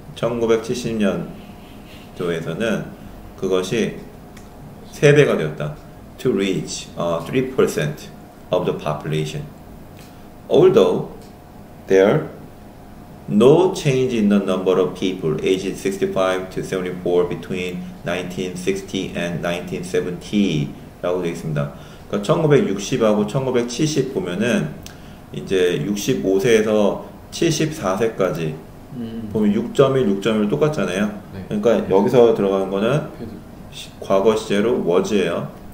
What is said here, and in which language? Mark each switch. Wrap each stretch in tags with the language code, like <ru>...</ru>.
<ko>1970년도에서는 그것이 3배가 되었다.</ko> <en>To reach 3% of the population. Although there are no change in the number of people aged 65 to 74 between 1960 and 1970</en> <ko>라고 되어 있습니다. 그러니까 1960하고 1970 보면은 이제 65세에서 74세까지 보면 6.1, 6.1 똑같잖아요. 네. 그러니까 네. 여기서 들어가는 거는 과거 시제로 was예요.</ko>